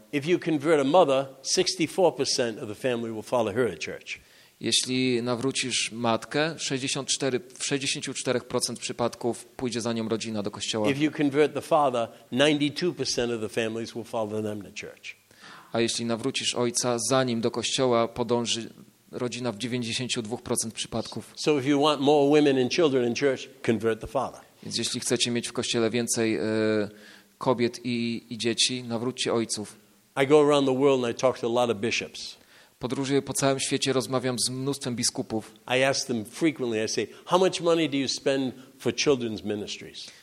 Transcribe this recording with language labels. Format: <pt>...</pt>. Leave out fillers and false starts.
<en>If you convert a mother, 64% of the family will follow her to church.</en> <pl>Jeśli nawrócisz matkę, w 64% przypadków pójdzie za nią rodzina do kościoła.</pl> <en>If you convert the father, 92% of the families will follow them to church.</en> <pl>A jeśli nawrócisz ojca, zanim do kościoła podąży rodzina w 92% przypadków.</pl> <en>So if you want more women and children in church, convert the father.</en> <pl>Więc jeśli chcecie mieć w kościele więcej kobiet i dzieci, nawróćcie ojców.</pl> <en>I go around the world and I talk to a lot of bishops.</en> <pl>Podróżuję po całym świecie, rozmawiam z mnóstwem biskupów.</pl> <en>I ask them frequently, I say, how much money do you spend for children's ministries?</en>